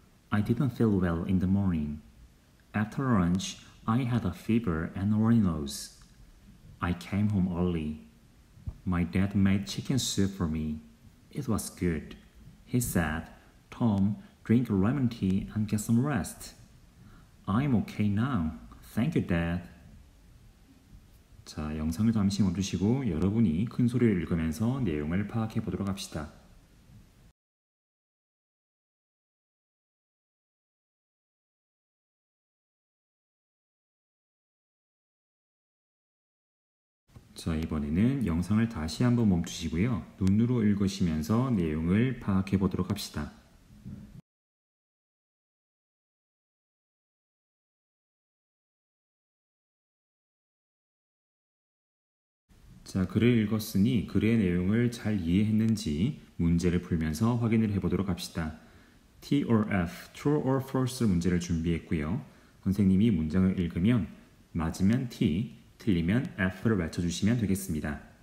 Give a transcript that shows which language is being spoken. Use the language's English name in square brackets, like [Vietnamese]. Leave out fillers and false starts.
[English] I didn't feel well in the morning. After lunch, I had a fever and runny nose. I came home early. My dad made chicken soup for me. It was good. He said, Tom, drink lemon tea and get some rest. I'm okay now. Thank you, Dad. [Korean] 자, 영상을 잠시 멈추시고 여러분이 큰 소리를 읽으면서 내용을 파악해 보도록 합시다. So, 이번에는 영상을 다시 한번 멈추시고요. 눈으로 읽으시면서 내용을 파악해 보도록 합시다. So, 글을 읽었으니 글의 내용을 잘 이해했는지 문제를 풀면서 확인을 해 보도록 합시다. [English] T or F, true or false [Korean] 문제를 준비했고요. 선생님이 문장을 읽으면 맞으면 T, 틀리면 F를 외쳐주시면 되겠습니다.